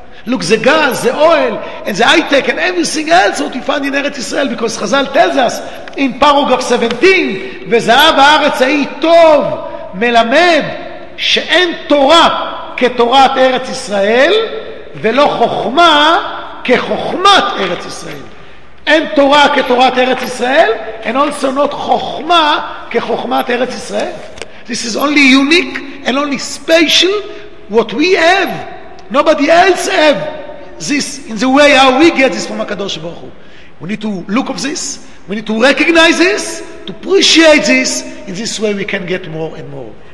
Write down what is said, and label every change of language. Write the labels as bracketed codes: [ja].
[en] Look, the gas, the oil, and the high-tech, and everything else that we find in Eretz Israel, because Chazal tells us in paragraph 17, [he] וזהב הארץ היא טוב מלמד שאין תורה כתורת ארץ ישראל [en] ולא חוכמה כחוכמת ארץ ישראל. [he] אין תורה כתורת ארץ ישראל, [en] and also not [he] חוכמה כחוכמת ארץ ישראל. [en] This is only unique and only special what we have. Nobody else have this in the way how we get this from HaKadosh Baruch Hu. We need to look of this, we need to recognize this, to appreciate this, in this way we can get more and more.